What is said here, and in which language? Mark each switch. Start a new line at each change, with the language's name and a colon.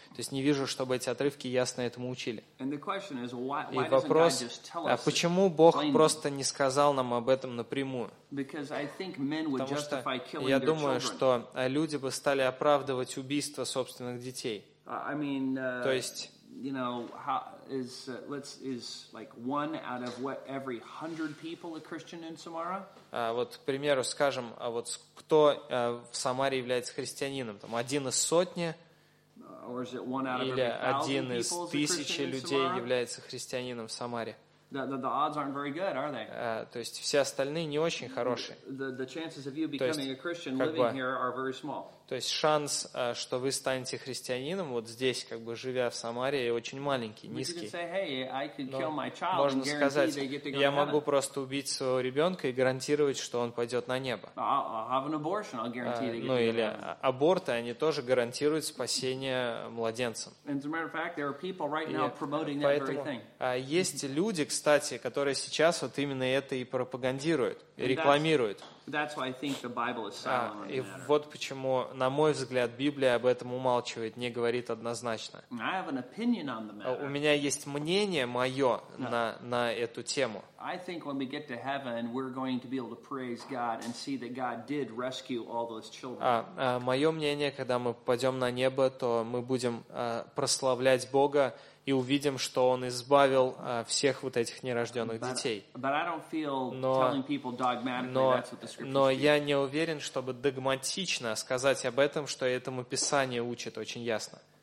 Russian: То есть не вижу, чтобы эти отрывки ясно этому учили. И вопрос, а почему Бог просто не сказал нам об этом напрямую? Потому что я думаю, что люди бы стали оправдывать убийство собственных детей. То есть
English: one out of what every 100 people a Christian in Samara?
Russian: Вот, к примеру, скажем, а вот кто в Самаре является христианином? Там один из сотни или один из тысячи людей является христианином в Самаре?
English: The odds aren't very good, are they?
Russian: То есть все остальные не очень хорошие.
English: The chances of you becoming a Christian living here are very small.
Russian: То есть шанс, что вы станете христианином, вот здесь, как бы живя в Самаре, очень маленький, низкий. Но можно сказать, я могу просто убить своего ребенка и гарантировать, что он пойдет на небо. Ну или аборты, они тоже гарантируют спасение младенцам. Поэтому есть люди, кстати, которые сейчас вот именно это и пропагандируют, и рекламируют.
English: That's why I think the Bible is silent on the
Russian: matter. И вот почему, на мой взгляд, Библия об этом умалчивает, не говорит однозначно.
English: I have an opinion on the matter.
Russian: У меня есть мнение мое на эту тему.
English: I think when we get to heaven, we're going to be able to praise God and see that God did rescue all those children.
Russian: Мое мнение, когда мы попадем на небо, то мы будем прославлять Бога и увидим, что Он избавил всех вот этих нерожденных детей. Но я не уверен, чтобы догматично сказать об этом, что этому Писание учит очень ясно.